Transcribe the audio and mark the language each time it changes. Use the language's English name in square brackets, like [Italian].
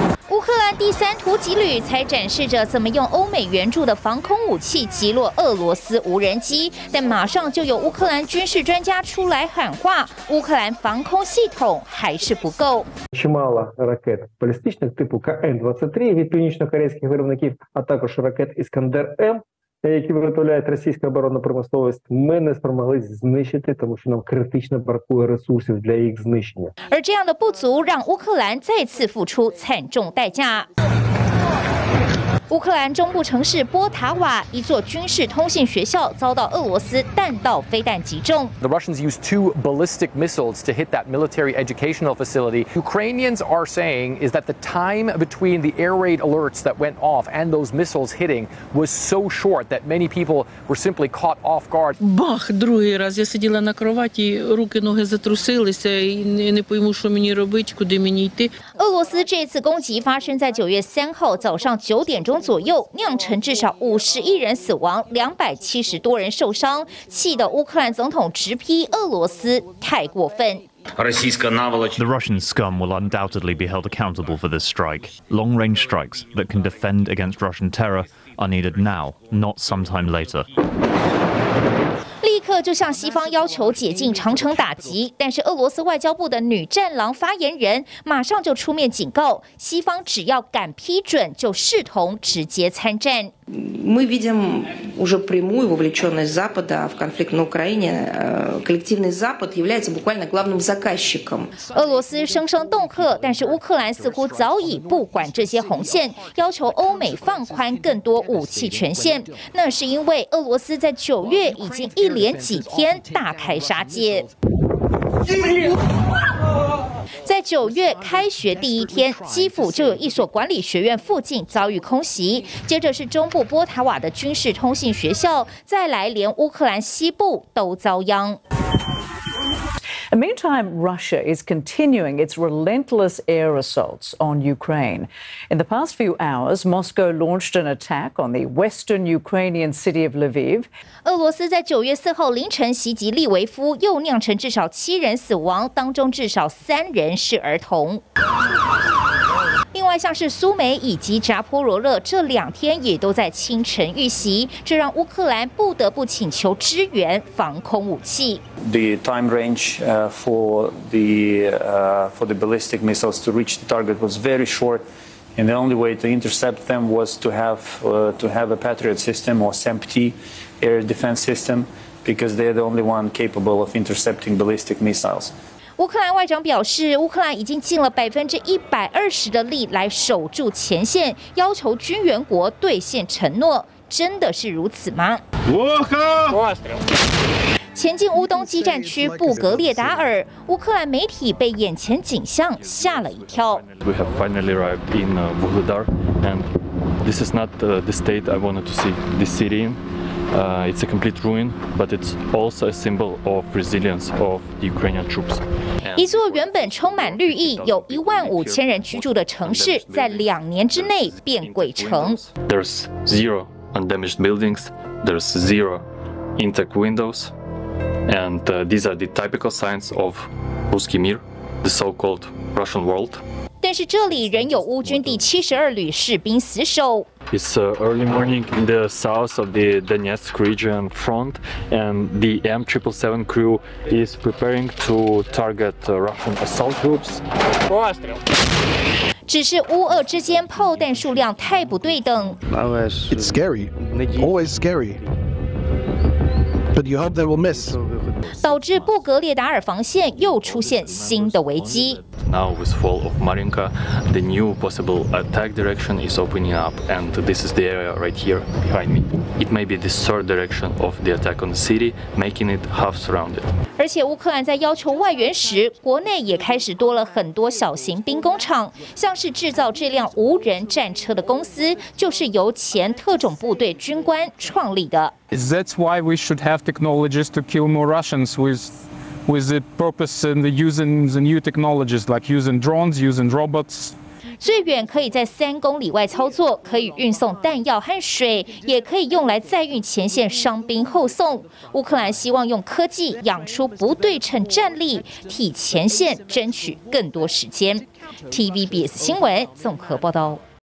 [Chinese] 乌克兰第三突击旅才展示着怎么用欧美援助的防空武器击落俄罗斯无人机，但马上就有乌克兰军事专家出来喊话，乌克兰防空系统还是不够。 [Russian] Очень мало [Ukrainian] ракет баллистичных типу КН-23 від північно-корейських виробників, а також ракет Іскандер-М, які виготовляють російська оборонна промисловість, ми не змогли знищити, тому що нам критично бракує ресурсів для їх знищення. [Chinese] 而这样的不足让乌克兰再次付出惨重代价。乌克兰中部城市波塔瓦一座军事通信学校遭到俄罗斯弹道飞弹击中。 [English] The Russians used 2 ballistic missiles to hit that military educational facility. Ukrainians are saying is that the time between the air raid alerts that went off and those missiles hitting was so short that many people were simply caught off guard. [Ukrainian] Бах, другий раз я сиділа на кроваті, руки ноги затрусилися і не пойму, що мені робити, куди мені йти. [Chinese] 俄罗斯这次攻击发生在9月3号早上9点钟。钟左右，酿成至少51人死亡、270多人受伤，气得乌克兰总统直批俄罗斯太过分。 [English] The Russian scum will undoubtedly be held accountable for this strike. Long-range strikes that can defend against Russian terror are needed now, not sometime later. [Chinese] 立刻就向西方要求解禁长城打击，但是俄罗斯外交部的女战狼发言人马上就出面警告，西方只要敢批准，就视同直接参战。 [Russian] Мы видим уже прямую вовлеченность Запада в конфликт на Украине. Коллективный Запад является буквально главным заказчиком. [Chinese] 俄罗斯声声恫吓，但是乌克兰似乎早已不管这些红线，要求欧美放宽更多武器权限。那是因为俄罗斯在九月已经一连几天大开杀戒。在九月开学第一天，基辅就有一所管理学院附近遭遇空袭，接着是中部波塔瓦的军事通信学校，再来连乌克兰西部都遭殃。 [English] Meantime, Russia is continuing its relentless air assaults on Ukraine. In the past few hours, Moscow launched an attack on the western Ukrainian city of Lviv. [Chinese] 俄罗斯在九月四号凌晨袭击利维夫，又酿成至少7人死亡，当中至少3人是儿童。另外，像是苏梅以及扎波罗热这两天也都在清晨遇袭，这让乌克兰不得不请求支援防空武器。 [English] The time range for the ballistic missiles to reach the target was very short, and the only way to intercept them was to have a Patriot system or SAMP/T air defense system, because they are the only one capable of intercepting ballistic missiles. [Chinese] 乌克兰外长表示，乌克兰已经尽了120%的力来守住前线，要求军援国兑现承诺。真的是如此吗？我靠！前进乌东激战区布格列达尔，乌克兰媒体被眼前景象吓了一跳。 [English] We have finally arrived in Vuhledar, and this is not the state I wanted to see this city in. It's a complete ruin, but it's also a symbol of resilience of the Ukrainian troops. [Chinese] 一座原本充满绿意、有15,000人居住的城市，在2年之内变鬼城。 [English] There's zero undamaged buildings. There's zero intact windows, and these are the typical signs of Ruski Mir, the so-called Russian world. [Chinese] 但是这里仍有乌军第72旅士兵死守。 [English] It's early morning in the south of the Donetsk region front, and the M777 crew is preparing to target Russian assault groups. [Chinese] 只是乌俄之间炮弹数量太不对等。 [English] It's scary, always scary. But you hope they will miss. [Chinese] 导致布格列达尔防线又出现新的危机。 [English] Now with fall of Mariinka, the new possible attack direction is opening up, and this is the area right here behind me. It may be the third direction of the attack on the city, making it half surrounded. [Chinese] 而且乌克兰在要求外援时，国内也开始多了很多小型兵工厂，像是制造这辆无人战车的公司，就是由前特种部队军官创立的。 [English] Is that why we should have technologies to kill more Russians with the purpose and the using the new technologies like using drones, using robots. [Chinese] 最远可以在3公里外操作，可以运送弹药和水，也可以用来载运前线伤兵后送。乌克兰希望用科技养出不对称战力，替前线争取更多时间。 TVBS 新闻综合报道。